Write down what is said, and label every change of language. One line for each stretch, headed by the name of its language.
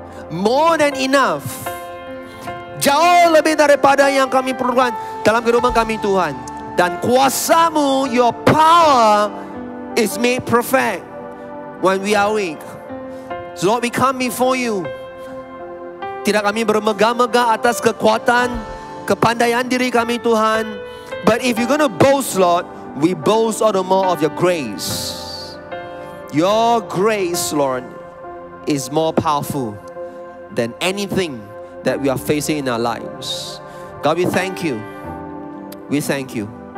English: More than enough.
Indonesian: Jauh lebih daripada yang kami perlukan dalam kehidupan kami, Tuhan. Dan kuasa-Mu,
English: your power, is made perfect when we are weak. So Lord, we come before you.
Indonesian: Tidak kami bermegah-megah atas kekuatan, kepandaian diri kami, Tuhan.
English: But if you're going to boast, Lord, we boast all the more of your grace. Your grace, Lord, is more powerful than anything that we are facing in our lives. God, we thank you. We thank you.